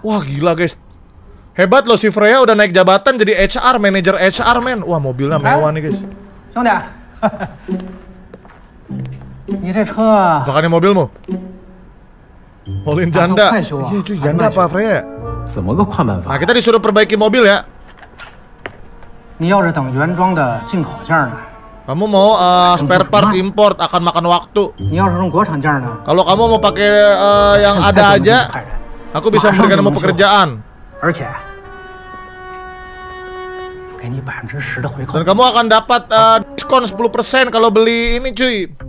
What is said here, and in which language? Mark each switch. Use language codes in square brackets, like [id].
[id] Wah, gila guys, hebat loh si Freya udah naik jabatan jadi HR manager HR man. Wah, mobilnya mewah nih guys. [zh] 兄弟，你这车。 [id] Bukannya mobilmu? Olin janda. Iya, itu janda apa Freya? [zh] 怎么个快办法？ [id] Nah, kita disuruh perbaiki mobil ya. [zh] 你要是等原装的进口件呢？ [id] Kamu mau spare part import akan makan waktu. Kalau kamu mau pakai yang ada aja, aku bisa memberikan kamu pekerjaan. Dan kamu akan dapat diskon 10% kalau beli ini cuy.